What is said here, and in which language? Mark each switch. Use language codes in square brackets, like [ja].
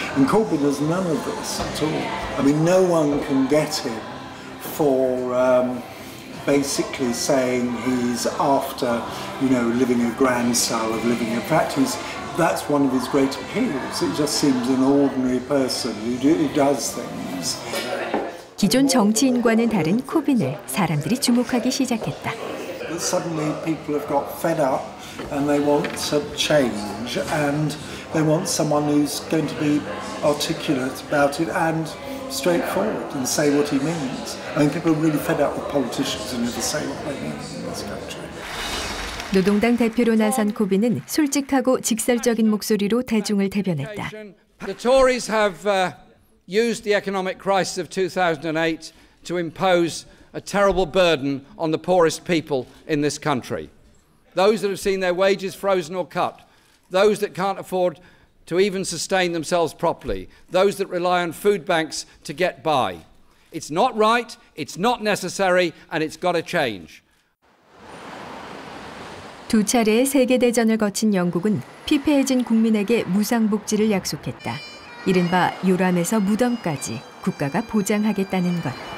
[en] And Corbyn has none of this at all. I mean, no one can get him for basically saying he's after, you know, living a grand style of living. In fact, that's one of his great appeals. It just seems an ordinary person who does things. [ko] 기존 정치인과는 다른 코빈을 사람들이 주목하기 시작했다. [en] But suddenly people have got fed up and they want to change and they want someone who's going to be articulate about it and straightforward and say what he means. I mean, people are really fed up with politicians who never say what they mean in this country. [ko] 노동당 대표로 나선 코빈은 솔직하고 직설적인 목소리로 대중을 대변했다. [en] The Tories have used the economic crisis of 2008 to impose a terrible burden on the poorest people in this country. Those that have seen their wages frozen or cut, those that can't afford to even sustain themselves properly, those that rely on food banks to get by. It's not right, it's not necessary, and it's got to change. [ko] 두 차례의 세계 대전을 거친 영국은 피폐해진 국민에게 무상 복지를 약속했다. 이른바 요람에서 무덤까지 국가가 보장하겠다는 것.